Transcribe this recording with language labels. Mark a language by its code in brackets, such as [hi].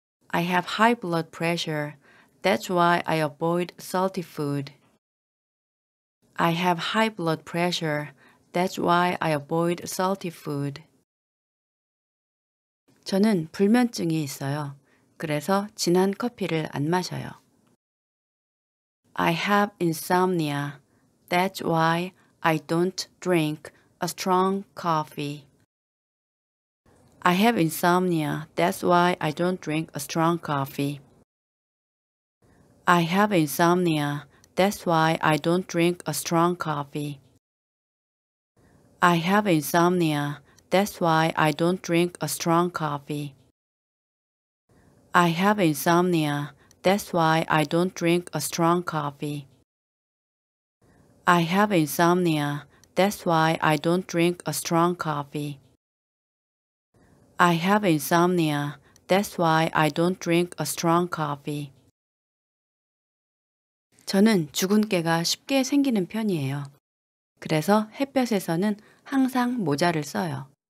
[en] I have high blood pressure. That's why I avoid salty food. I have high blood pressure. That's why I avoid salty food. [ko] 저는 불면증이 있어요. 그래서 진한 커피를 안 마셔요. [en] I have insomnia. That's why I don't drink a strong coffee. I have insomnia. That's why I don't drink a strong coffee. I have insomnia. That's why I don't drink a strong coffee. I have insomnia. That's why I don't drink a strong coffee. I have insomnia. That's why I don't drink a strong coffee. I have insomnia. That's why I don't drink a strong coffee. I have insomnia. That's why I don't drink a strong coffee. [ko] 저는 주근깨가 쉽게 생기는 편이에요. 그래서 햇볕에서는 항상 모자를 써요.